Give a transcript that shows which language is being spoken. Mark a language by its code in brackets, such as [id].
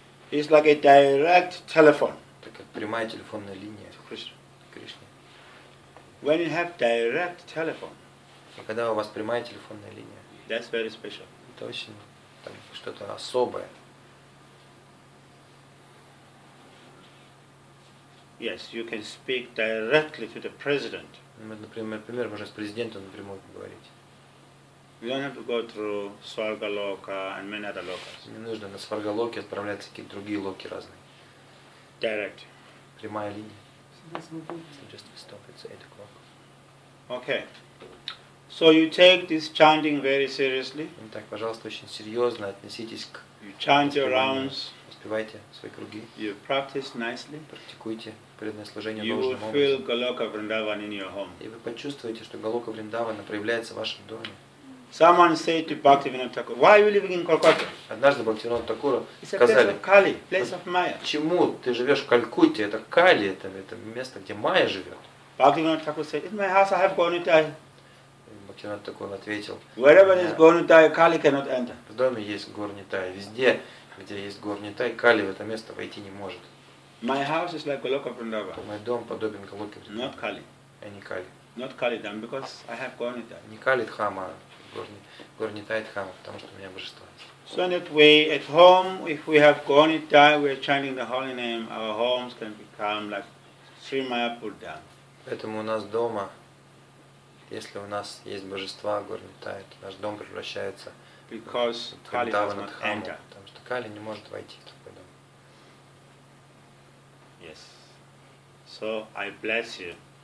[en] It's like a direct telephone. [ru] Это как прямая телефонная линия к Кришне. [en] When you have direct telephone. [ru] И когда у вас прямая телефонная линия. [en] That's very special. [ru] Это очень там, что-то особое. [en] Yes, you can speak directly to the president. [ru] Например, можно с президентом напрямую поговорить. [en] You don't have to go through Swargaloka and many other lokas. [ru] Не нужно на Сваргалоке отправляться какие-то другие локи разные. [en] Direct. [ru] Прямая линия. [en] So just stop at 8 o'clock. Okay. So you take this chanting very seriously. [ru] Итак, пожалуйста, очень серьезно относитесь к. [en] You chant your rounds. [ru] Успевайте свои круги. [en] You practice nicely. [ru] Практикуйте преданное служение должным образом. [en] You will feel Goloka Vrindavan in your home. [ru] И вы почувствуете, что Голока Вриндавана проявляется в вашем доме. [en] Someone said to Bhaktivinoda Thakur, "Why are you living in Kolkata?" [ru] Однажды Бхактивинода Такура сказали: [en] "Кали, place of Maya." [ru] Почему ты живешь в Калькутте? Это Кали, это место, где Майя живет. [en] Bhaktivinoda Thakur said, "In my house, I have Gonita." [ru] Бхактивинода Такур ответил: [en] "Wherever is Gonita, Kali cannot enter." [ru] В доме есть Gonita, везде. Где есть Горнита, и Кали в это место войти не может. [en] My house is like Goloka Vrindavan. [ru] Мой дом подобен Голоке Вриндаване. [en] Not Kali. [ru] А не Кали. [en] Not Kali Dham, because I have Gornita. [ru] Не Кали Дхама, Горнита и Дхама, потому что у меня божество. [en] So in that way, at home, if we have Gornita, we are chanting the holy name, our homes can become like Sri Mayapur Dham. [ru] Поэтому у нас дома, если у нас есть божества Горнита, то наш дом превращается [en] because [ru] в [en] Kali does not enter. [ru] Кали не может войти в такой дом. [en] Yes. So I bless you.